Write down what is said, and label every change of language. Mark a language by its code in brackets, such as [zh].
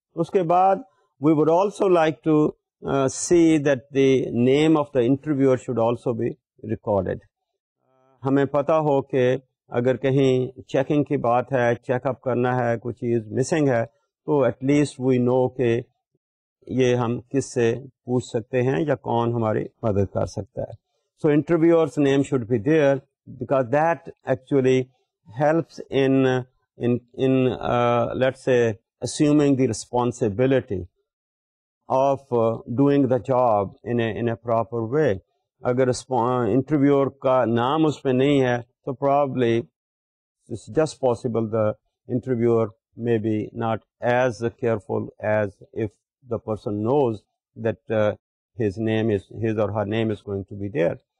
[ur] اس کے بعد [en] We would also like to see that the name of the interviewer should also be recorded. [ur] ہمیں پتہ ہو کہ اگر کہیں چیکنگ کی بات ہے, چیک اپ کرنا ہے, کچھ چیز مسنگ ہے, تو [en] at least we know [ur] کہ یہ ہم کس سے پوچھ سکتے ہیں یا کون ہماری مدد کر سکتا ہے. [en] So interviewer's name should be there, because that actually helps in assuming the responsibility of doing the job in a proper way. [ur] Agar interviewer ka naam us pe nahi hai, [en] so probably it's just possible the interviewer may be not as careful as if the person knows that his or her name is going to be there.